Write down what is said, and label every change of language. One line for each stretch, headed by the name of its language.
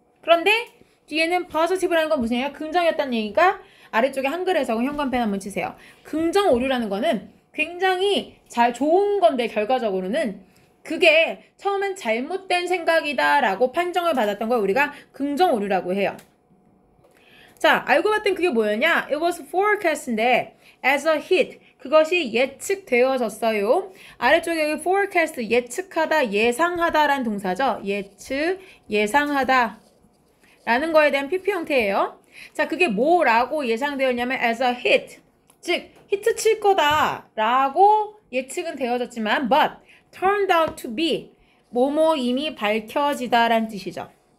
Korean: 그런데 뒤에는 positive라는 건 무슨 얘기야? 긍정이었다는 얘기가 아래쪽에 한글에서 형광펜 한번 치세요. 긍정 오류라는 거는 굉장히 잘 좋은 건데 결과적으로는 그게 처음엔 잘못된 생각이다라고 판정을 받았던 걸 우리가 긍정 오류라고 해요. 자, 알고 봤던 그게 뭐였냐?
English: It was forecast인데 as a hit,
Korean: 그것이 예측되어졌어요. 아래쪽에 여기 forecast, 예측하다, 예상하다라는 동사죠. 예측, 예상하다. 라는 거에 대한 PP 형태예요. 자, 그게 뭐라고 예상되었냐면
English: as a hit.
Korean: 즉, 히트 칠 거다라고 예측은 되어졌지만
English: but turned out to be
Korean: 뭐뭐 이미 밝혀지다라는 뜻이죠.